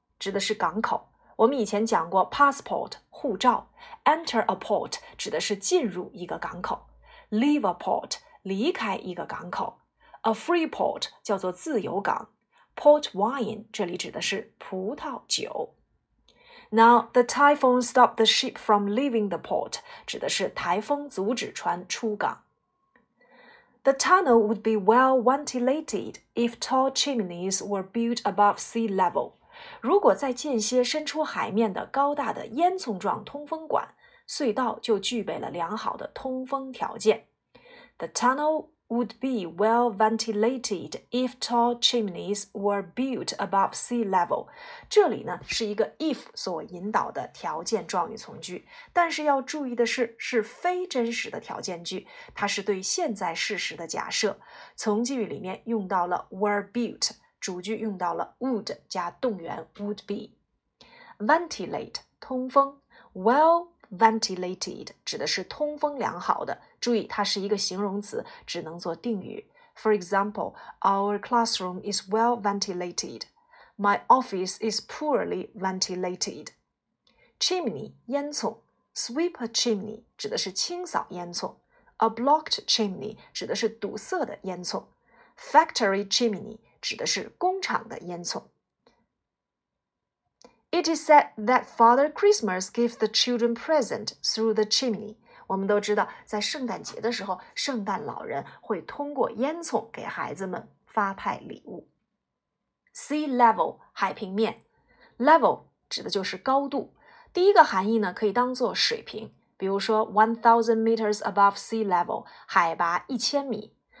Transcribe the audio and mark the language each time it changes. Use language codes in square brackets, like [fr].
[zh] 指的是港口。我们以前讲过 passport 护照， enter a port 指的是进入一个港口， leave a port 离开一个港口， a free port 叫做自由港， port wine 这里指的是葡萄酒。 [en] Now, the typhoon stopped the ship from leaving the port, 指的是台风阻止船出港。 The tunnel would be well ventilated if tall chimneys were built above sea level. [zh] 如果再建些伸出海面的高大的烟囱状通风管，隧道就具备了良好的通风条件。 [en] The tunnel would be well ventilated if tall chimneys were built above sea level. [zh] 这里呢是一个 if 所引导的条件状语从句，但是要注意的是，是非真实的条件句，它是对现在事实的假设。从句里面用到了 were built， 主句用到了 would 加动员 would be。 Ventilate 通风， well ventilated 指的是通风良好的，注意它是一个形容词，只能做定语。 [en] For example, our classroom is well ventilated. [zh] My office is poorly ventilated. Chimney, 烟囱， sweep a chimney 指的是清扫烟囱， a blocked chimney 指的是堵塞的烟囱， factory chimney 指的是工厂的烟囱。 [en] It is said that Father Christmas gives the children present through the chimney. [zh] 我们都知道，在圣诞节的时候，圣诞老人会通过烟囱给孩子们发派礼物。 Sea level, 海平面。Level 指的就是高度。第一个含义呢，可以当作水平，比如说 1,000 meters above sea level, 海拔1000米。